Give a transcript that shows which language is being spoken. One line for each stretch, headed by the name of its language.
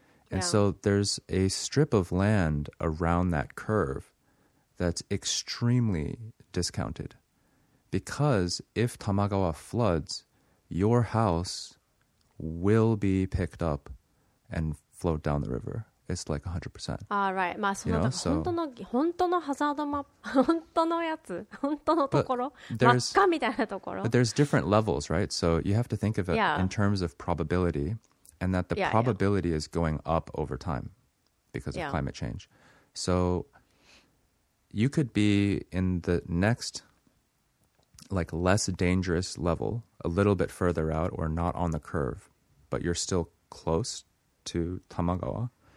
English: And so there's a strip of land around that curve that's extremely discounted. Because if Tamagawa floods, your house will be picked up and float down the river. It's like 100%. Ah, right.
Japanese: まあ、その、本当のハザードマップ、本当のやつ、本当のところ、真っ赤みたいなところ。
English: But there's different levels, right? So you have to think of it in terms of probability, and that the probability is going up over time because of climate change. So you could be in the next, like, less dangerous level, a little bit further out or not on the curve, but you're still close to Tamagawa.